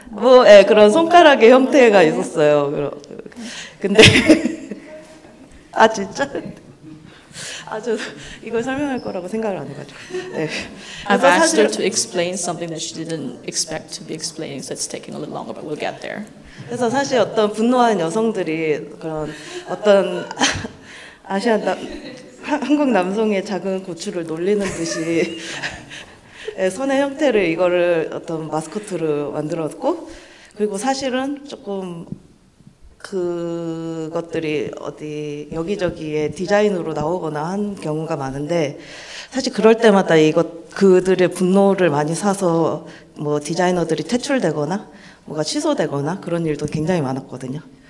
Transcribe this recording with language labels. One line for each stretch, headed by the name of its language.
Korean: 뭐, 예, 그런 손가락의 형태가 있었어요. 근데 아 진짜? 아주 이걸 설명할 거라고 생각을 안 해가지고. 네.
English: I've asked her to explain something that she didn't expect to be explaining, so it's taking a little longer, but we'll get there.
Korean: 그래서 사실 어떤 분노한 여성들이 그런 어떤 아시아 한국 남성의 작은 고추를 놀리는 듯이 손의 형태를 이거를 어떤 마스코트로 만들었고 그리고 사실은 조금 그것들이 어디 여기저기에 디자인으로 나오거나 한 경우가 많은데 사실 그럴 때마다 이것 그들의 분노를 많이 사서 뭐 디자이너들이 퇴출되거나 뭐가 취소되거나 그런 일도 굉장히 많았거든요.